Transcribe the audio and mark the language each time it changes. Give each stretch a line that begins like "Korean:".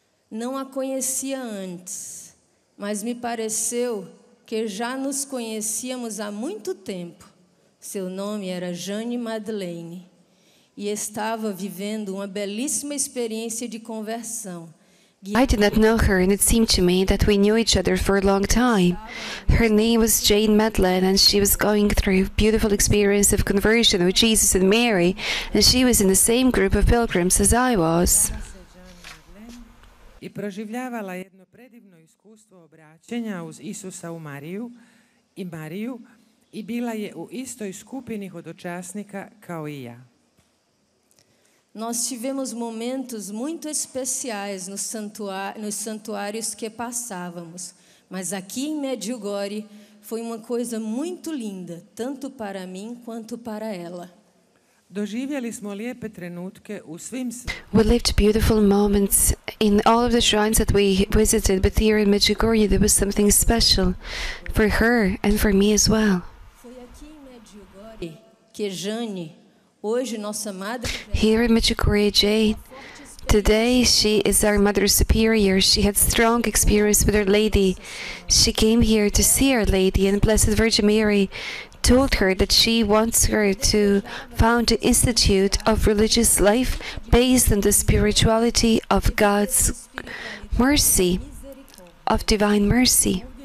Portuguese: Não a conhecia antes, mas me pareceu que já nos conhecíamos há muito tempo. Seu nome era Jane Madeleine. E estava vivendo uma belíssima experiência de conversão.
English: I did not know her, and it seemed to me that we knew each other for a long time. Her name was Jane Madeleine, and she was going through a beautiful experience of conversion with Jesus and Mary, and she was in the same group of pilgrims as I was.
Croatian: I proživljavala jedno predivno iskustvo obraćenja uz Isusa u Mariju i Mariju i bila je u istoj skupini hodočasnika kao i ja.
Portuguese: Nós tivemos momentos muito especiais nos santuários que passávamos, mas aqui em Medjugorje foi uma coisa muito linda, tanto para mim quanto para ela.
Croatian: Doživjeli smo lijepe trenutke u svim
English: We lived beautiful moments in all of the shrines that we visited, but here in Medjugorje there was something special for her and for me as well.
Portuguese: Foi aqui em Medjugorje que Jane Hoje, nossa madre...
English: Here in Medjugorje, Jane, today she is our Mother Superior. She had strong experience with Our Lady. She came here to see Our Lady and Blessed Virgin Mary told her that she wants her to found an institute of religious life based on the spirituality of God's mercy, of divine mercy.